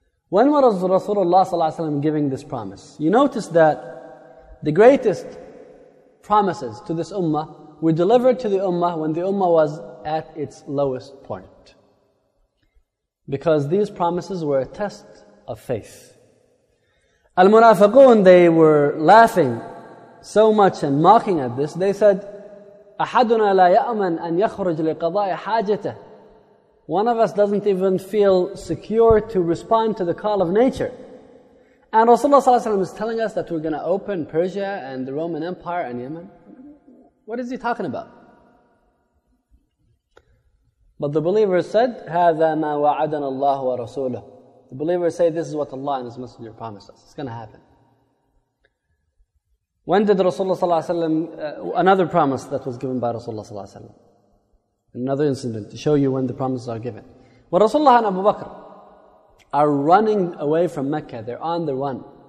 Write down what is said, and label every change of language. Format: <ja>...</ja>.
<en>When was Rasulullah sallallahu alaihi wasallam giving this promise? You notice that the greatest promises to this ummah were delivered to the ummah when the ummah was at its lowest point. Because these promises were a test of faith. Al-Munafiqun, they were laughing so much and mocking at this. They said,</en> <ar>أَحَدُنَا لَا يَأْمَنْ أَنْ يَخْرُجْ لِقَضَاءِ حَاجَتَهِ.</ar> <en>One of us doesn't even feel secure to respond to the call of nature. And Rasulullah ﷺ is telling us that we're going to open Persia and the Roman Empire and Yemen. What is he talking about? But the believers said,</en> <ar>هَذَا مَا وَعَدَنَا اللَّهُ وَرَسُولُهُ.</ar> <en>The believers say, this is what Allah and His Messenger promised us. It's going to happen. When did Rasulullah ﷺ, another promise that was given by Rasulullah ﷺ. Another incident to show you when the promises are given. When Rasulullah and Abu Bakr are running away from Mecca, they're on the run.</en>